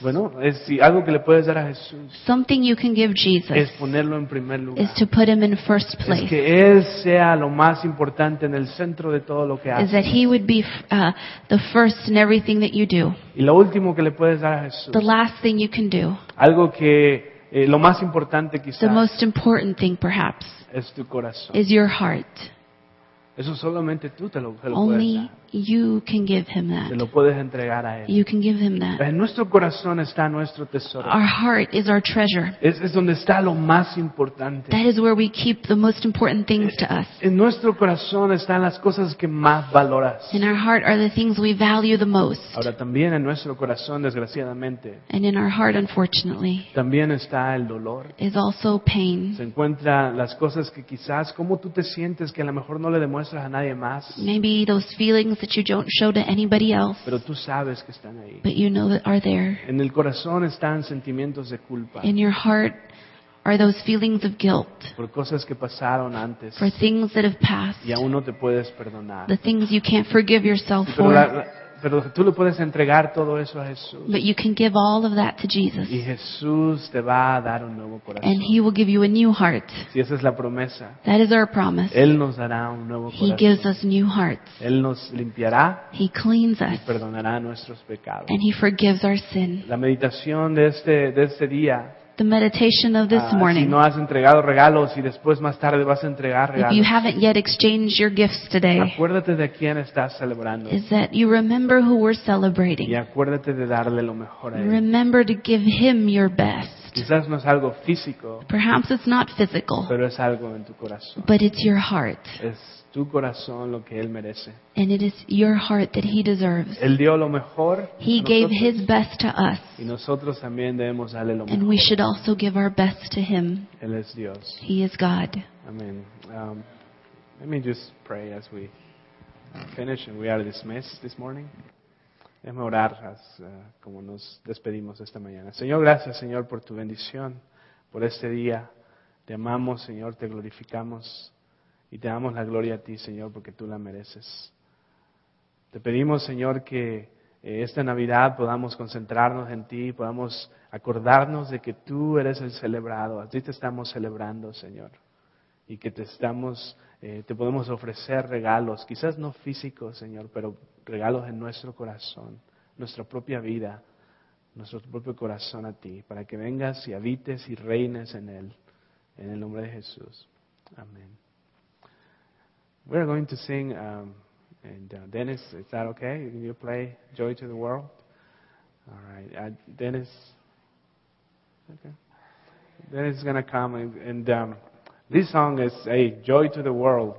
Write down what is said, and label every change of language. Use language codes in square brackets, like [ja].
[es] Bueno, es sí, algo que le puedes dar a Jesús. [en] Something you can give Jesus. [es] Es ponerlo en primer lugar. [en] Is to put him in first place. [es] Es que él sea lo más importante en el centro de todo lo que haces. [en] Is that he would be the first in everything that you do. [es] Y lo último que le puedes dar a Jesús. [en] The last thing you can do. [es] Algo que lo más importante quizás. [en] The most important thing perhaps. [es] Es tu corazón. [en] Is your heart. [es] Eso solamente tú te lo puedes dar. [en] Only you can give him that. [es] Te lo puedes entregar a él. [en] You can give him that. [es] En nuestro corazón está nuestro tesoro. [en] Our heart is our treasure. [es] Es donde está lo más importante. [en] That is where we keep the most important things to us. [es] En nuestro corazón están las cosas que más valoras. [en] In our heart are the things we value the most. [es] Ahora también en nuestro corazón, desgraciadamente. [en] And in our heart, unfortunately. [es] También está el dolor. [en] Is also pain. [es] Se encuentra las cosas que quizás cómo tú te sientes que a lo mejor no le demuestras a nadie más. [en] Maybe those feelings that you don't show to anybody else. [es] Pero tú sabes que están ahí. [en] But you know that are there. [es] En el corazón están sentimientos de culpa. [en] In your heart are those feelings of guilt. [es] Por cosas que pasaron antes. [en] For things that have passed. [es] Y aún no te puedes perdonar. [en] The things you can't forgive yourself [es] pero [en] for. [es] Pero tú le puedes entregar todo eso a Jesús. [en] But you can give all of that to Jesus. [es] Y Jesús te va a dar un nuevo corazón. [en] And he will give you a new heart. [es] Sí, esa es la promesa. [en] That is our promise. [es] Él nos dará un nuevo corazón. [en] He gives us new hearts. [es] Él nos limpiará. [en] He cleans us. [es] Y perdonará nuestros pecados. [en] And he forgives our sin. [es] La meditación de este día. [en] The meditation of this morning. [es] Si no has entregado regalos y después más tarde vas a entregar regalos. [en] If you haven't yet exchanged your gifts today. [es] Acuérdate de quién estás celebrando. [en] Is that you remember who we're celebrating. [es] Y acuérdate de darle lo mejor a él. [en] Remember to give him your best. [es] Quizás no es algo físico. [en] Perhaps it's not physical. [es] Pero es algo en tu corazón. [en] But it's your heart. [es] Es tu corazón lo que él merece. [en] And it is your heart that he deserves. [es] Él dio lo mejor. [en] He gave his best to us. [es] Y nosotros también debemos darle lo mejor. [en] And we should also give our best to him. [es] Él es Dios. [en] He is God. Amen. Let me just pray as we finish and we are dismissed this morning. [es] Déjame orar como nos despedimos esta mañana. Señor, gracias, Señor, por tu bendición, por este día. Te amamos, Señor, te glorificamos y te damos la gloria a ti, Señor, porque tú la mereces. Te pedimos, Señor, que esta Navidad podamos concentrarnos en ti, podamos acordarnos de que tú eres el celebrado. A ti te estamos celebrando, Señor, y que te podemos ofrecer regalos, quizás no físicos, Señor, pero regalos en nuestro corazón, nuestra propia vida, nuestro propio corazón a ti, para que vengas y habites y reines en él, en el nombre de Jesús. Amén. [en] We're going to sing, Dennis, is that okay? Can you play Joy to the World? All right, Dennis. Okay. Dennis is going to come and this song is a Joy to the World.